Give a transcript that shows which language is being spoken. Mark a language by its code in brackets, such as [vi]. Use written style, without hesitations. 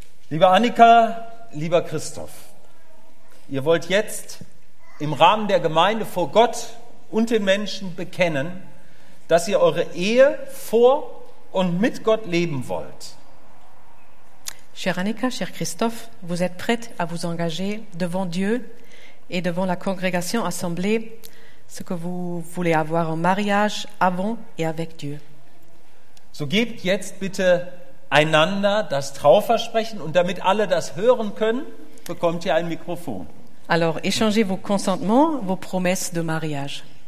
[de] Liebe Annika, lieber Christoph, ihr wollt jetzt im Rahmen der Gemeinde vor Gott und den Menschen bekennen, dass ihr eure Ehe vor und mit Gott leben wollt. [fr] Chère Annika, cher Christoph, vous êtes prête à vous engager devant Dieu et devant la congrégation assemblée. Ce que vous voulez avoir en mariage avant et avec Dieu. [de] So gebt jetzt bitte einander das Trauversprechen und damit alle das hören können, bekommt ihr ein Mikrofon. [fr] Alors, échangez vos consentements, vos promesses de mariage.